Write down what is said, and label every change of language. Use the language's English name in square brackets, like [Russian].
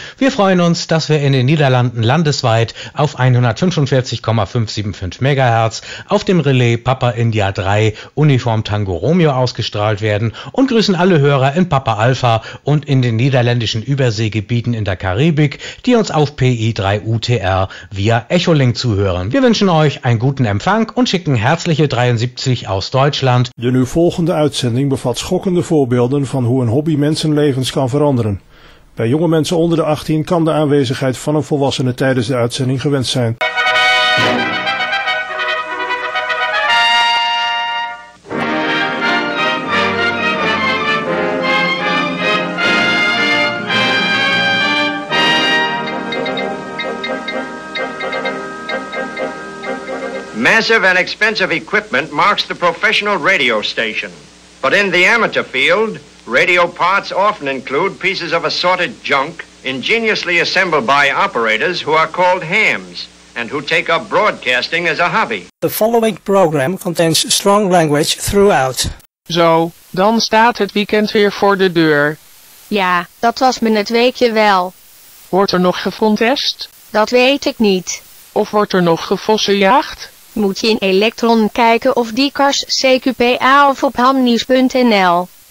[German] Wir freuen uns, dass wir in den Niederlanden landesweit auf 145,575 MHz auf dem Relais Papa India 3 Uniform Tango Romeo ausgestrahlt werden und grüßen alle Hörer in Papa Alpha und in den niederländischen Überseegebieten in der Karibik, die uns auf PI3 UTR via Echolink zuhören. Wir wünschen euch einen guten Empfang und schicken herzliche 73 aus Deutschland. [Dutch] De nu volgende uitzending bevat schokkende voorbeelden van hoe een hobby mensenlevens kan veranderen. Bij jonge mensen onder de 18 kan de aanwezigheid van een volwassene tijdens de uitzending gewenst zijn. [English] Massive and expensive equipment marks the professional radio station. But in the amateur field, radio parts often include pieces of assorted junk ingeniously assembled by operators who are called hams and who take up broadcasting as a hobby. The following program contains strong language throughout. [Dutch] Zo, dan staat het weekend weer voor de deur. Ja, dat was me het weekje wel. Wordt er nog gefontest? Dat weet ik niet. Of wordt er nog gevossenjaagd? Moet je in Electron kijken of Dikars CQPA of op hamnieuws.nl.